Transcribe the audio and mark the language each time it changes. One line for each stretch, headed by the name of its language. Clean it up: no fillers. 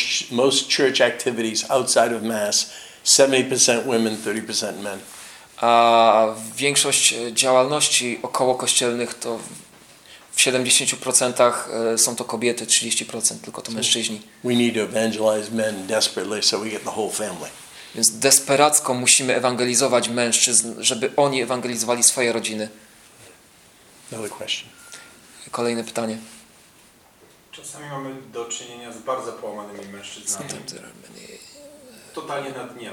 English: Most church activities outside of mass, 70% women, 30% men.
Polish: A większość działalności okołokościelnych to w 70% są to kobiety, 30% tylko to mężczyźni.
English: We need to evangelize men desperately so we get the whole family.
Polish: Więc desperacko musimy ewangelizować mężczyzn, żeby oni ewangelizowali swoje rodziny.
English: Another question.
Polish: Kolejne pytanie. Czasami mamy do czynienia z bardzo połamanymi mężczyznami. Totalnie na dnie.